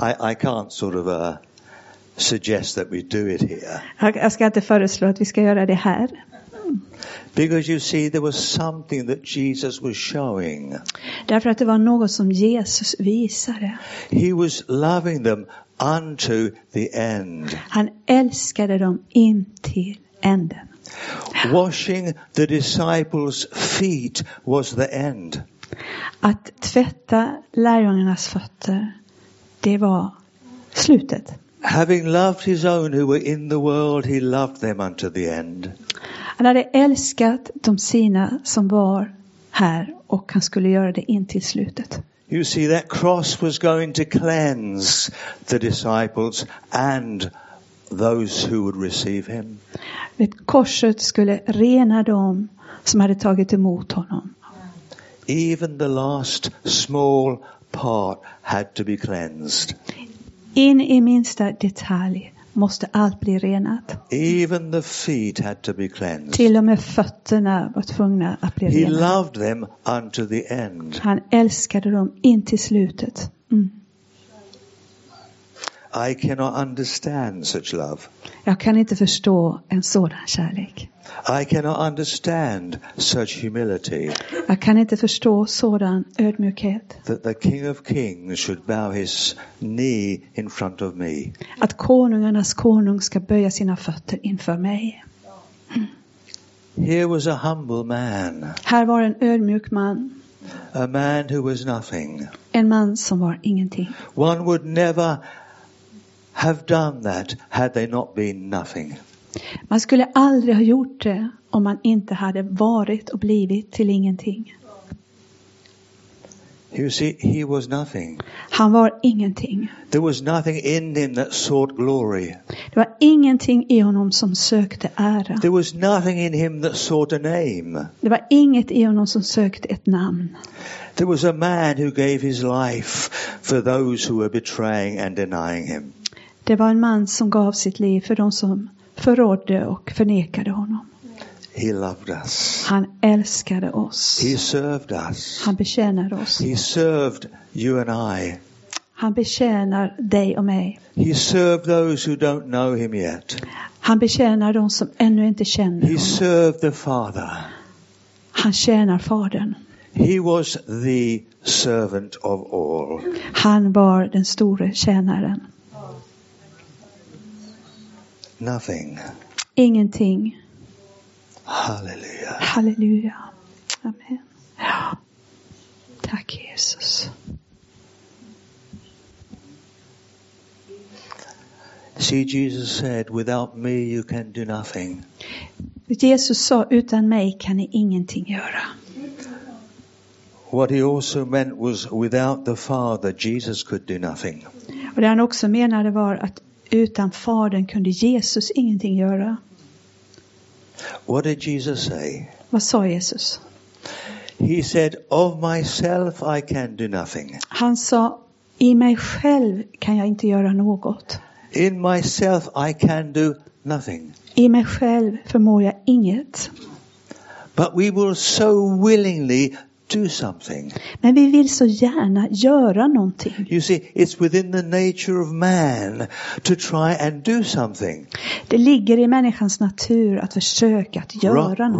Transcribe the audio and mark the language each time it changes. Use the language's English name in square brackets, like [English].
[English] I can't sort of suggest that we do it here. [Swedish] Jag ska inte föreslå att vi ska göra det här. [English] Because you see there was something that Jesus was showing. [Swedish] Därför att det var något som Jesus visade. [English] He was loving them unto the end. [Swedish] Han älskade dem in till änden. [English] Washing the disciples' feet was the end. [Swedish] Att tvätta lärjungarnas fötter, det var slutet. [English] Having loved his own who were in the world, he loved them unto the end. [Swedish] Han hade älskat de sina som var här och han skulle göra det in till slutet. [English] You see, that cross was going to cleanse the disciples and those who would receive him. [Swedish] Det korset skulle rena dem som hade tagit emot honom. [English] Even the last small part had to be cleansed. [Swedish] In i minsta detalj måste allt bli renat. [English] Even the feet had to be cleansed. [Swedish] Till och med fötterna var tvungna att bli [English] He [Swedish] renat. [English] He loved them unto the end. [Swedish] Han älskade dem in till slutet. [English] I cannot understand such love. [Swedish] Jag kan inte förstå en sådan kärlek. [English] I cannot understand such humility. [Swedish] Jag kan inte förstå sådan ödmjukhet. [English] That the King of Kings should bow his knee in front of me. [Swedish] Att konungarnas konung ska böja sina fötter inför mig. [English] Here was a humble man. [Swedish] Här var en ödmjuk man. [English] A man who was nothing. [Swedish] En man som var ingenting. [English] One would never have done that had they not been nothing. [Swedish] Man skulle aldrig ha gjort det om man inte hade varit och blivit till ingenting. [English] You see, he was nothing. [Swedish] Han var ingenting. [English] There was nothing in him that sought glory. [Swedish] Det var ingenting i honom som sökte ära. [English] There was nothing in him that sought a name. [Swedish] Det var inget i honom som sökte ett namn. [English] There was a man who gave his life for those who were betraying and denying him. [Swedish] Det var en man som gav sitt liv för de som förrådde och förnekade honom. [English] He loved us. [Swedish] Han älskade oss. [English] He served us. [Swedish] Han betjänade oss. [English] He served you and I. [Swedish] Han betjänar dig och mig. [English] He served those who don't know him yet. [Swedish] Han betjänar de som ännu inte känner honom. [English] He served the Father. [Swedish] Han tjänar Fadern. [English] He was the servant of all. [Swedish] Han var den store tjänaren. [English] Nothing. [Swedish] Ingenting. Halleluja. Halleluja. Amen. Ja. Tack Jesus. [English] See, Jesus said, without me you can do nothing. [Swedish] Jesus sa, utan mig kan ni ingenting göra. [English] What he also meant was without the Father Jesus could do nothing. [Swedish] Och det han också menade var att utan Fadern kunde Jesus ingenting göra. [English] What did Jesus say? [Swedish] Vad sa Jesus? [English] He said, "Of myself I can do nothing." [Swedish] Han sa, i mig själv kan jag inte göra något. [English] In myself I can do nothing. [Swedish] I mig själv förmår jag inget. [English] But we will so willingly do something. [Swedish] Men vi vill så gärna göra någonting. [English] You see, it's within the nature of man to try and do something. [Swedish] Det ligger i människans natur att försöka att göra någonting.